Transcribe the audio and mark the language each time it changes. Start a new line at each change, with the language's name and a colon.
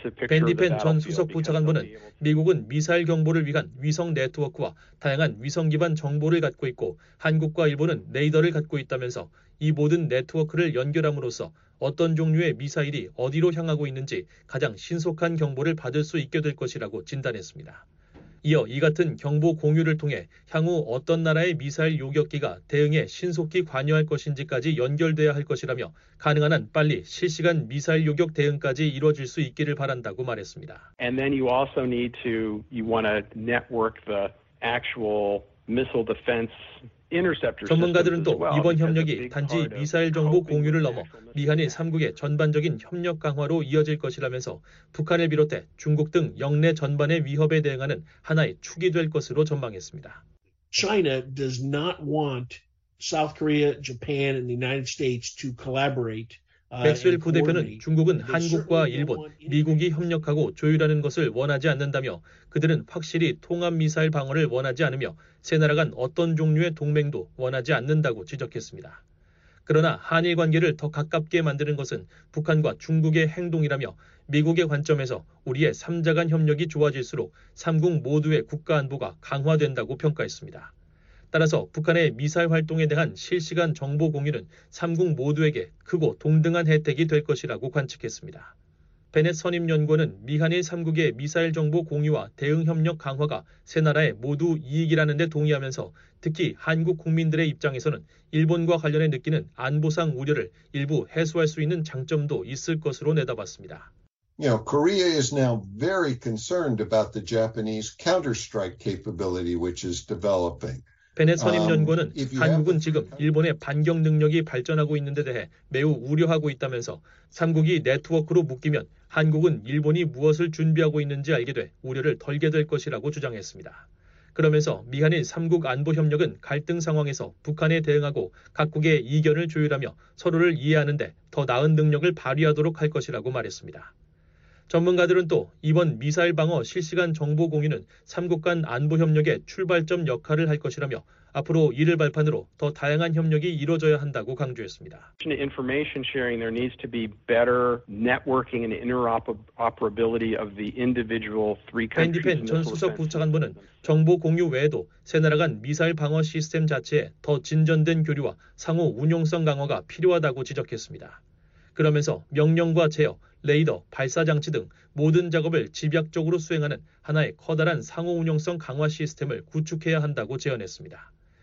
Korean: 벤디펜 전 수석 부차관보는 미국은 미사일 경보를 위한 위성 네트워크와 다양한 위성 기반 정보를 갖고 있고 한국과 일본은 레이더를 갖고 있다면서 이 모든 네트워크를 연결함으로써 어떤 종류의 미사일이 어디로 향하고 있는지 가장 신속한 경보를 받을 수 있게 될 것이라고 진단했습니다. 이어 이 같은 경보 공유를 통해 향후 어떤 나라의 미사일 요격기가 대응에 신속히 관여할 것인지까지 연결돼야 할 것이라며 가능한 한 빨리 실시간 미사일 요격 대응까지 이루어질 수 있기를 바란다고 말했습니다.
English: And then you also need to, you want to network the actual missile defense.
Korean: 전문가들은 또 이번 협력이 단지 미사일 정보 공유를 넘어 미한일 3국의 전반적인 협력 강화로 이어질 것이라면서 북한을 비롯해 중국 등 영내 전반의 위협에 대응하는 하나의 축이 될 것으로 전망했습니다.
English: China does not want South Korea, Japan, and the United States to collaborate.
Korean: 맥스웰 부대표는 중국은 한국과 일본, 미국이 협력하고 조율하는 것을 원하지 않는다며 그들은 확실히 통합 미사일 방어를 원하지 않으며 세 나라 간 어떤 종류의 동맹도 원하지 않는다고 지적했습니다. 그러나 한일 관계를 더 가깝게 만드는 것은 북한과 중국의 행동이라며 미국의 관점에서 우리의 3자 간 협력이 좋아질수록 3국 모두의 국가 안보가 강화된다고 평가했습니다. 따라서 북한의 미사일 활동에 대한 실시간 정보 공유는 3국 모두에게 크고 동등한 혜택이 될 것이라고 관측했습니다. 베넷 선임연구원은 미한일 3국의 미사일 정보 공유와 대응 협력 강화가 세 나라의 모두 이익이라는 데 동의하면서 특히 한국 국민들의 입장에서는 일본과 관련해 느끼는 안보상 우려를 일부 해소할 수 있는 장점도 있을 것으로 내다봤습니다.
English: You know, Korea is now very concerned about the Japanese counter-strike capability which is developing.
Korean: 베넷 선임연구원은 한국은 지금 일본의 반격 능력이 발전하고 있는 데 대해 매우 우려하고 있다면서 삼국이 네트워크로 묶이면 한국은 일본이 무엇을 준비하고 있는지 알게 돼 우려를 덜게 될 것이라고 주장했습니다. 그러면서 미한일 삼국 안보협력은 갈등 상황에서 북한에 대응하고 각국의 이견을 조율하며 서로를 이해하는 데 더 나은 능력을 발휘하도록 할 것이라고 말했습니다. 전문가들은 또 이번 미사일 방어 실시간 정보 공유는 3국 간 안보 협력의 출발점 역할을 할 것이라며 앞으로 이를 발판으로 더 다양한 협력이 이루어져야 한다고 강조했습니다.
English: Information sharing there needs to be better networking and interoperability of the individual three countries.
Korean: 핸디펜 전 수석 부차관보는 정보 공유 외에도 세 나라 간 미사일 방어 시스템 자체에 더 진전된 교류와 상호 운용성 강화가 필요하다고 지적했습니다. 그러면서 명령과 제어, 레이더, 발사장치 등 모든 작업을 집약적으로 수행하는 하나의 커다란 상호운용성 강화 시스템을 구축해야 한다고 제언했습니다.